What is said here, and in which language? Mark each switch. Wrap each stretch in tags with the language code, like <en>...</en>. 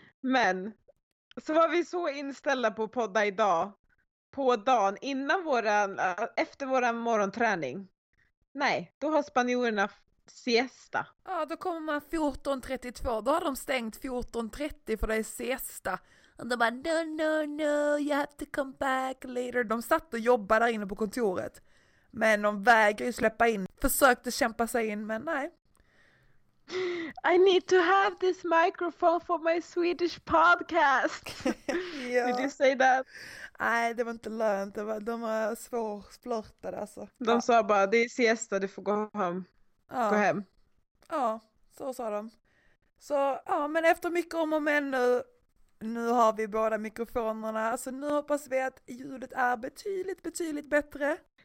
<sv>Men så var vi så inställda på att podda idag. På dagen innan efter våran morgonträning. Nej, då har spanjorerna siesta. Ja, då kommer man 14:32. Då har de stängt 14:30 för det är siesta. Och de bara,</sv> <en>no, you have to come back later.</en> <sv>De satt och jobbade där inne på kontoret. Men de vägrade ju släppa in. Försökte kämpa sig in, men nej.</sv> <en>I need to have this microphone for my Swedish podcast. Ja. Did you say that?</en> <sv>Nej, det var inte lönt. De var svårflörtade alltså. De sa bara, det är siesta, du får gå hem. Ja. Gå hem. Ja, så sa de. Så, ja, men efter mycket om och men nu. Nu har vi båda mikrofonerna, så nu hoppas vi att ljudet är betydligt bättre.</sv>